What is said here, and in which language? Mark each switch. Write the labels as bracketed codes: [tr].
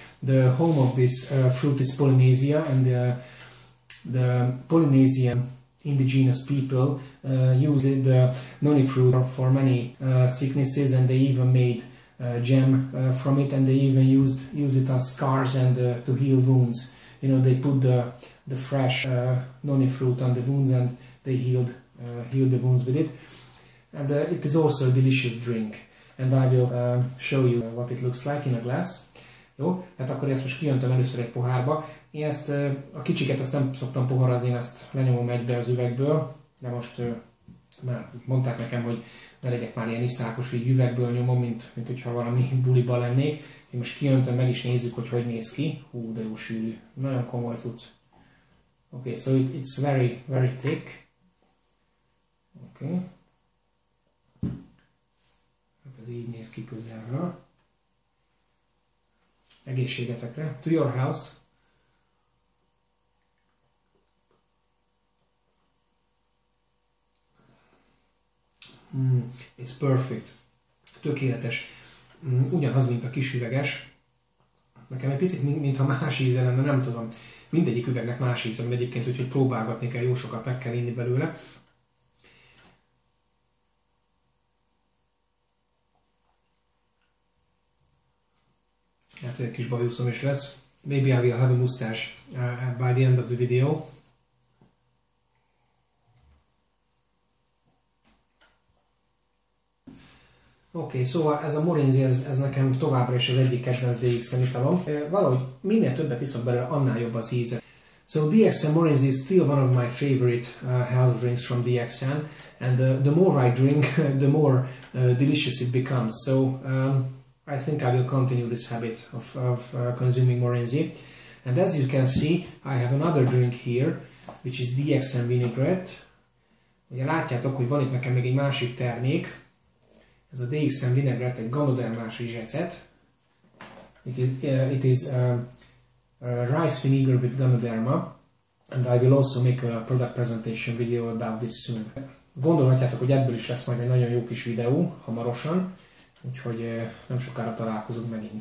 [en] The home of this fruit is Polynesia, and the Polynesian indigenous people use the noni fruit for many sicknesses, and they even made gem from it, and they even used it on scars and to heal wounds. You know, they put the fresh noni fruit on the wounds, and they healed the wounds with it. And it is also a delicious drink, and I will show you what it looks like in a glass. [hu] Jó, hát akkor ezt most kiöntöm először egy pohárba. Én ezt, a kicsiket ezt nem szoktam poharazni, én ezt lenyomom egybe az üvegből, de most már mondták nekem, hogy ne legyek már ilyen iszákos, hogy üvegből nyomom, mint hogyha valami buliba lennék. Én most kiöntöm, meg is nézzük, hogy néz ki. Hú, de jó sűrű. Nagyon komoly cucc. [en] Okay, so it's very, very thick. Okay. [hu] Hát ez így néz ki közelről. Egészségetekre. [en] To your health. It's perfect. [hu] Tökéletes. Ugyanaz, mint a kis üveges. Nekem egy picit, mintha más íze lenne, nem tudom. Mindegyik üvegnek más íze van egyébként, úgyhogy próbálgatni kell, jó sokat meg kell inni belőle. Hát egy kis bajuszom is lesz. [en] Maybe I will have a mustache by the end of the video. [hu] Okay, szóval ez a morinzi, ez nekem továbbra is az egyik kedvenc DXM italom. Valahogy minél többet iszok belőle, annál jobb az íze. [en] So DXM morinzi is still one of my favorite health drinks from DXM. And the more I drink, the more delicious it becomes. So I think I will continue this habit of consuming morinzi. And as you can see, I have another drink here, which is DXM vinaigrette. [hu] Ugye látjátok, hogy van itt nekem még egy másik termék. Ez a DXM vinaigrette, egy ganodermás rizsecet. [en] It is rice vinegar with ganoderma. And I will also make a product presentation video about this soon. [hu] Gondolhatjátok, hogy ebből is lesz majd egy nagyon jó kis videó hamarosan. Úgyhogy nem sokára találkozunk megint.